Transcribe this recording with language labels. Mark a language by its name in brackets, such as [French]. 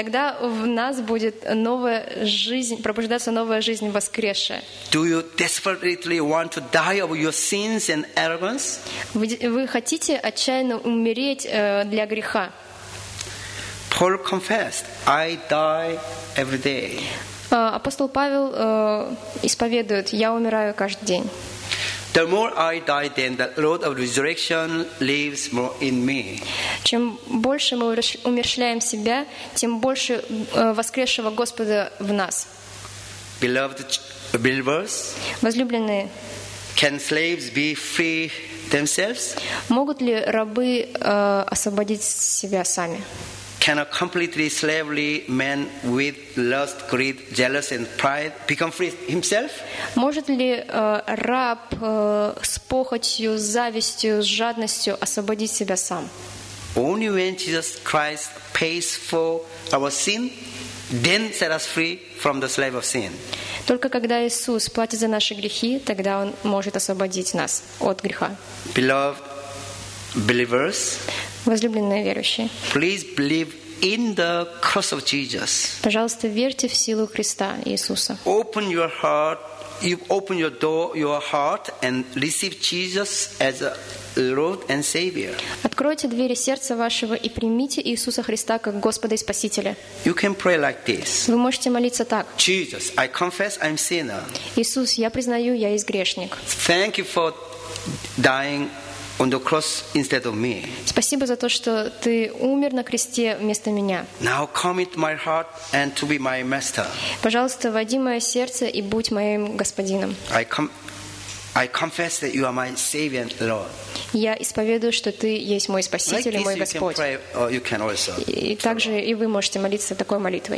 [Russian] Тогда в нас будет новая жизнь, пробуждаться новая жизнь воскресшая. [English] Do you desperately want to die of your sins and arrogance? [Russian] Вы хотите отчаянно умереть для греха? [English] Paul confessed, I die every day. [Russian] Апостол Павел исповедует, я умираю каждый день. [English] The more I die, then the Lord of resurrection lives more in me. [Russian] Чем больше мы умерщвляем себя, тем больше воскресшего Господа в нас. [English] Beloved believers, [Russian] возлюбленные, [English] can slaves be free themselves? [Russian] Могут ли рабы освободить себя сами? [English] Can a completely slavery man with lust, greed, jealousy, and pride become free himself? [Russian] Может ли раб с похотью, завистью, с жадностью освободить себя сам? [English] Only when Jesus Christ pays for our sin, then set us free from the slave of sin. [Russian] Только когда Иисус платит за наши грехи, тогда Он может освободить нас от греха. [English] Beloved believers. [Russian] Возлюбленные верующие. [English] Please believe in the cross of Jesus. [Russian] Пожалуйста, верьте в силу Христа Иисуса. [English] Open your heart. You open your door, your heart, and receive Jesus as a Lord and Savior. [Russian] Откройте двери сердца вашего и примите Иисуса Христа как Господа и Спасителя. [English] You can pray like this. [Russian] Вы можете молиться так. [English] Jesus, I confess I'm sinner. [Russian] Иисус, я признаю, я есть грешник. [English] Thank you for dying on the cross instead of me. [Russian] Спасибо за то, что ты умер на кресте вместо меня. [English] Now come into my heart and to be my master. [Russian] Пожалуйста, войди в мое сердце и будь моим господином. [English] I confess that you are my Savior and Lord. [Russian] Я исповедую, что ты есть мой спаситель, [English] like this, [Russian] мой Господь. [English] You can pray, or you can also. [Russian] И также и вы можете молиться такой молитвой.